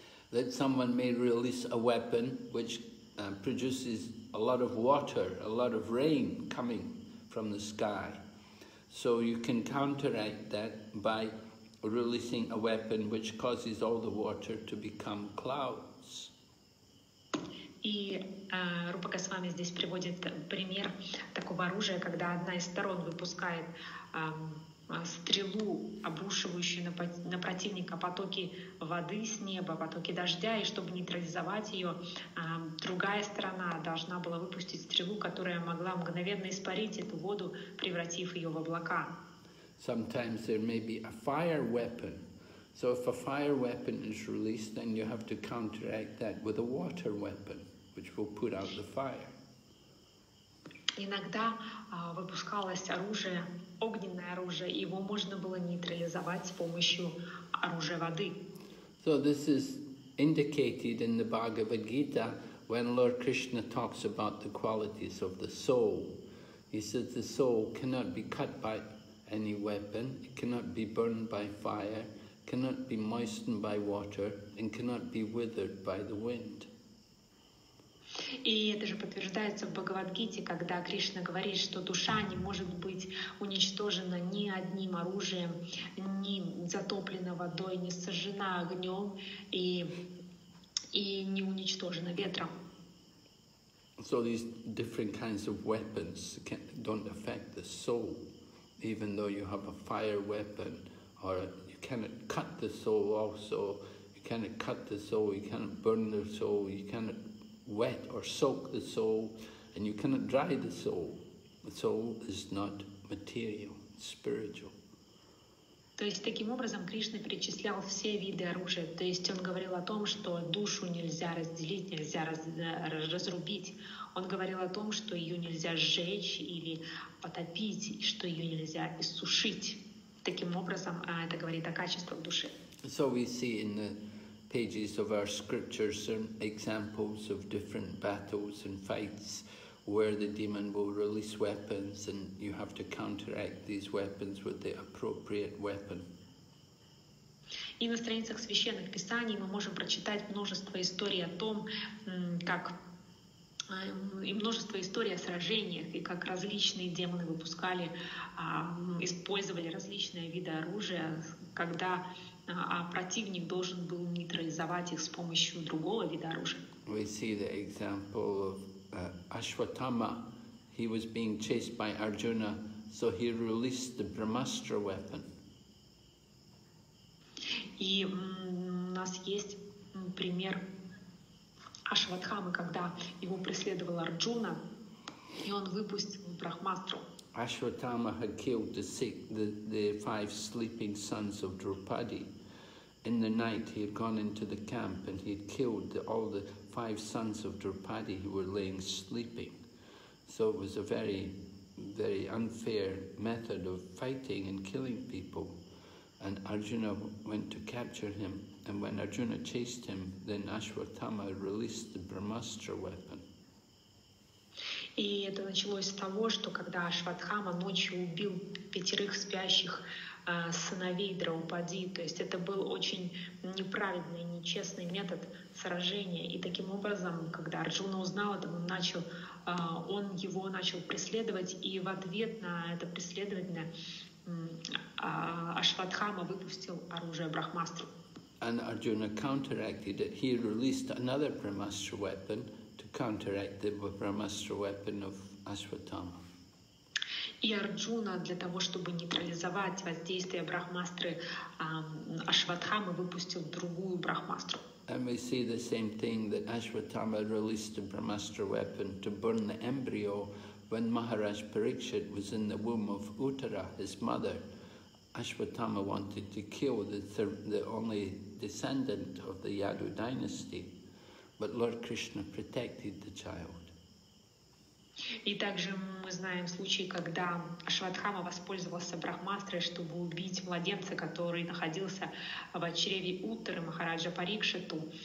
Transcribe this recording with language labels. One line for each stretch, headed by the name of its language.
English: That someone may release a weapon which produces a lot of water, a lot of rain coming from the sky. So you can counteract that by releasing a weapon which causes all the water to become clouds.
Russian: И Рупа Госвами здесь приводит пример такого оружия, когда одна из сторон выпускает стрелу, обрушивающую на противника потоки воды с неба, потоки дождя, и чтобы нейтрализовать ее, другая сторона должна была выпустить стрелу, которая могла мгновенно испарить эту воду, превратив ее в облака.
English: Sometimes there may be a fire weapon. So if a fire weapon is released, then you have to counteract that with a water weapon, which will put out the fire.
Russian: Иногда выпускалось оружие, огненное оружие, и его можно было нейтрализовать с помощью оружия воды.
English: So this is indicated in the Bhagavad Gita when Lord Krishna talks about the qualities of the soul. He says the soul cannot be cut by any weapon, it cannot be burned by fire, cannot be moistened by water, and cannot be withered by the wind.
Russian: И это же подтверждается в Бхагавад-гите, когда Кришна говорит, что душа не может быть уничтожена ни одним оружием, ни затоплена водой, ни сожжена огнем и не уничтожена ветром.
English: So these different kinds of weapons don't affect the soul, even though you have a fire weapon, or you cannot cut the soul also, you cannot cut the soul, you cannot burn the soul, you cannot wet or soak the soul, and you cannot dry the soul. The soul is not material, it's spiritual.
Russian: То есть таким образом Кришна перечислял все виды оружия. То есть он говорил о том, что душу нельзя разделить, нельзя разрубить. Он говорил о том, что ее нельзя сжечь или потопить, и что ее нельзя иссушить. Таким образом, это говорит о качествах души.
English: So we see in the pages of our scriptures and examples of different battles and fights where the demon will release weapons and you have to counteract these weapons with the appropriate weapon.
Russian: И на страницах священных писаний мы можем прочитать множество историй о том, как и множество историй о сражениях, и как различные демоны выпускали, использовали различные виды оружия, когда а противник должен был нейтрализовать их с помощью другого вида оружия.
English: We see the example of Ashwatthama. He was being chased by Arjuna, so he released the Brahmastra weapon.
Russian: И у нас есть пример Ашватхамы, когда его преследовал Арджуна, и он выпустил Брахмастру.
English: Ashwatthama had killed the five sleeping sons of Draupadi. In the night, he had gone into the camp and he had killed all the five sons of Draupadi who were laying sleeping. So it was a very, very unfair method of fighting and killing people. And Arjuna went to capture him. And when Arjuna chased him, then Ashwatthama released the Brahmastra weapon.
Russian: И это началось с того, что когда Ашватхама ночью убил пятерых спящих сыновей Драупади, то есть это был очень неправильный, нечестный метод сражения. И таким образом, когда Арджуна узнал это, он его начал преследовать, и в ответ на это преследование Ашватхама выпустил оружие Брахмастру.
English: And Arjuna counteracted it. He released another Brahmastra weapon to counteract the Brahmastra weapon of Ashwatthama.
Russian: И Арджуна для того, чтобы нейтрализовать воздействие Брахмастры Ашватхамы, выпустил другую Брахмастру.
English: And we see the same thing, that Ashwatthama released the Brahmastra weapon to burn the embryo, When Maharaj Parikshit was in the womb of Uttara, his mother, Ashwatthama wanted to kill the only descendant of the Yadu dynasty, but Lord Krishna protected the child.
Russian: И также мы знаем случай, когда Ашватхама воспользовался брахмастрой, чтобы убить младенца, который находился в чреве Уттары Махараджа Парикшиту.